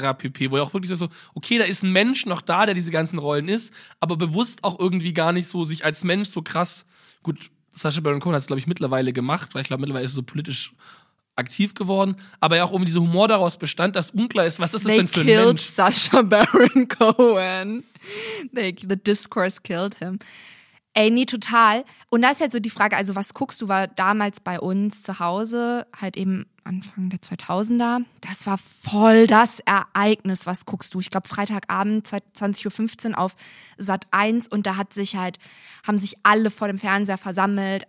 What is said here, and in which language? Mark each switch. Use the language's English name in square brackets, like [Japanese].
[German] pp., wo er auch wirklich so, okay, da ist ein Mensch noch da, der diese ganzen Rollen ist, aber bewusst auch irgendwie gar nicht so sich als Mensch so krass, gut, Sacha Baron Cohen hat es glaube ich mittlerweile gemacht, weil ich glaube mittlerweile ist er so politisch aktiv geworden, aber ja auch irgendwie dieser Humor daraus bestand, dass unklar ist, was ist das [English] They [German] denn für ein Mensch? [English] They killed Sacha Baron Cohen. The discourse killed him. [German] Ey, nee, total. Und da ist halt so die Frage, also was guckst du, war damals bei uns zu Hause, halt eben Anfang der 2000er, das war voll das Ereignis, was guckst du. Ich glaube Freitagabend, 20.15 Uhr auf Sat.1 und da hat sich halt, haben sich alle vor dem Fernseher versammelt.